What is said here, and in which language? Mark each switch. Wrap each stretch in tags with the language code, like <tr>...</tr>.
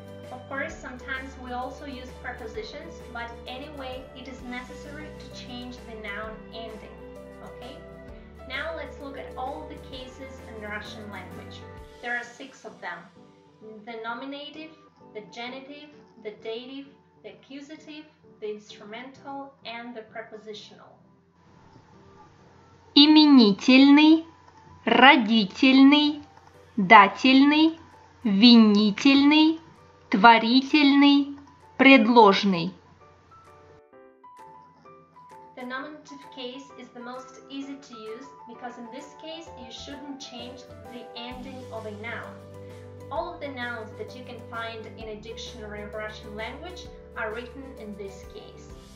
<en>Of course, sometimes we also use prepositions, but anyway, it is necessary to change the noun ending, okay? Now let's look at all the cases in Russian language. There are six of them: the nominative, the genitive, the dative, the accusative, the instrumental, and the prepositional.</en> <ru>Именительный, родительный, дательный, винительный, творительный, предложный.</ru> <en>The nominative case is the most easy to use because in this case you shouldn't change the ending of a noun. All of the nouns that you can find in a dictionary of Russian language are written in this case.</en>